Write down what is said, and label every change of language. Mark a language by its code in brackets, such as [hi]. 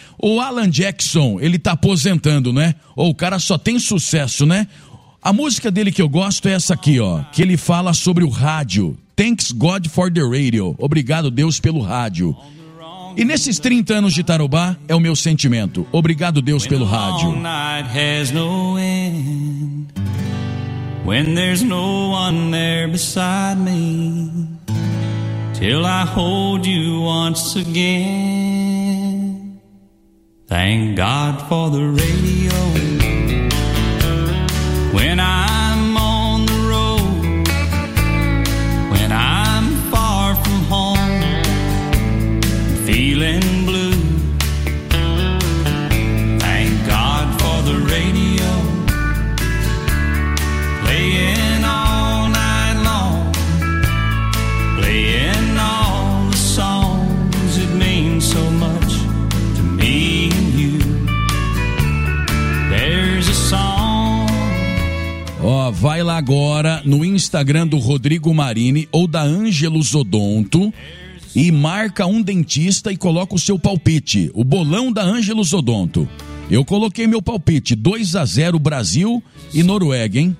[pt] O Alan Jackson, ele tá aposentando, né? Ou o cara só tem sucesso, né? A música dele que eu gosto é essa aqui, ó, que ele fala sobre o rádio. [en] Thanks God for the radio. [pt] Obrigado, Deus, pelo rádio. E nesses 30 anos de Tarobá, é o meu sentimento. Obrigado, Deus, pelo rádio. [en] When the long night has no end, when there's no one there beside me, till I hold you once again, thank God for the radio. When I'm on the road, when I'm far from home, feeling blue, thank God for the radio, playing all night long, playing all the songs that mean so much to me and you. There's a song. [pt] Ó, vai lá agora no Instagram do Rodrigo Marini ou da Ângelos Odonto e marca um dentista e coloca o seu palpite, o bolão da Ângelos Odonto. Eu coloquei meu palpite, 2-0 Brasil e Noruega, hein?